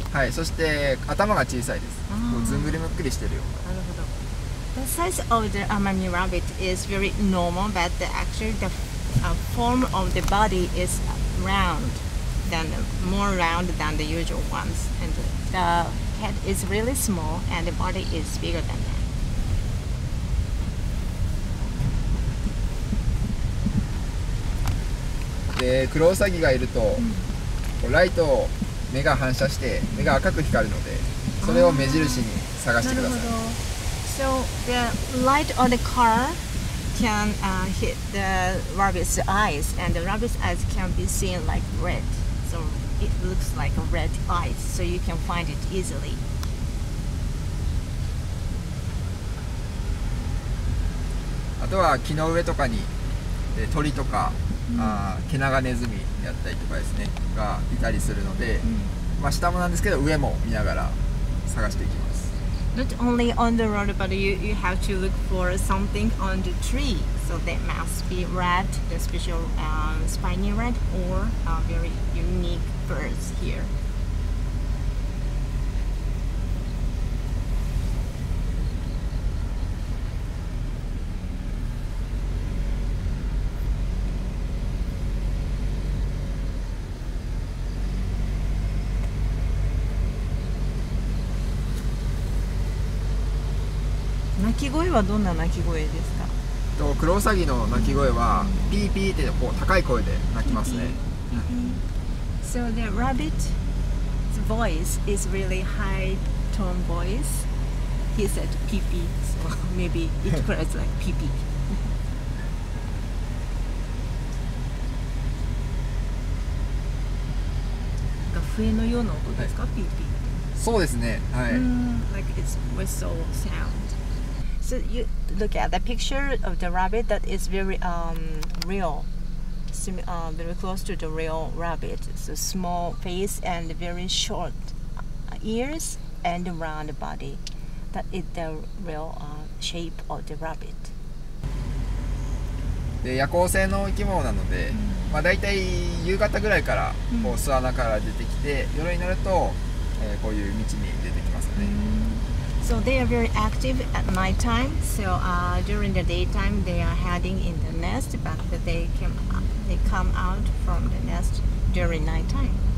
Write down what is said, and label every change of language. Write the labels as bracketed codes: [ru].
[ja] はい、そして頭が小さいです。もうずんぐりむっくりしてるような。なるほど。 [en] The size of the Amami rabbit is very normal, but actually the form of the body is round, than more round than the usual ones, and the head is really small and the body is bigger than that. [ja] でクロウサギがいると、うん、ライトを目が反射して目が赤く光るので、それを目印に探してください。なるほど。 [en] So the light of the car can hit the rabbit's eyes and the rabbit's eyes can be seen like red. So it looks like a red eyes, so you can find it easily. [ja] あとは木の上とかに鳥とか、ケナガネズミやったりとかですね、がいたりするので、まあ、下もなんですけど上も見ながら探していきます。 [en] Not only on the road, but you have to look for something on the tree. So that must be red, the special spiny red or a very unique birds here. [ja] 鳴き声はどんな鳴き声ですか？クロウサギの鳴き声はピーピーってこう高い声で鳴きますね。 [en] So the rabbit's voice is really high tone voice. He said pee pee, so maybe it cries like pee pee. [ja] なんか笛のような音ですか？ピーピー。そうですね。はい。 [en] Like it's whistle sound. So you look at the picture of the rabbit that is very real, very close to the real rabbit. So small face and very short ears and round body. That is the real shape of the rabbit. [ja] で夜行性の生き物なので、まあ、大体夕方ぐらいからこう巣穴から出てきて、夜になると、こういう道に出てきますね。 [en] So they are very active at night time. So during the daytime they are hiding in the nest, but they come out from the nest during night time.